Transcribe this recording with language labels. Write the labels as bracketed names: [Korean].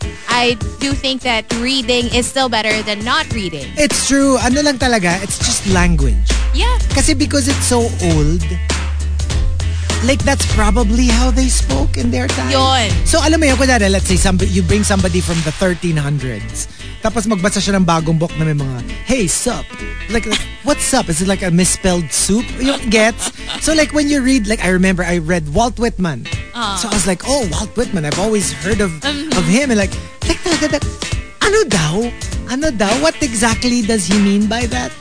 [English] I do think that reading is still better than not reading. It's true. [Filipino] Ano lang talaga, [English] it's just language. [Filipino] Yeah. [English] Kasi because it's so old, like that's probably how they spoke in their time. [Filipino] Yun. [English] So [Filipino] alam mo yun, kunwari, [English] let's say somebody, you bring somebody from the 1300s. [Filipino] Tapos magbasa siya ng bagong book na may mga, hey, sup. [English] Like, what's up? Is it like a misspelled soup? You get? So like, when you read, like, I remember I read Walt Whitman. So I was like, oh, Walt Whitman. I've always heard of him. And like, [Filipino] ano daw? [English] What exactly does he mean by that?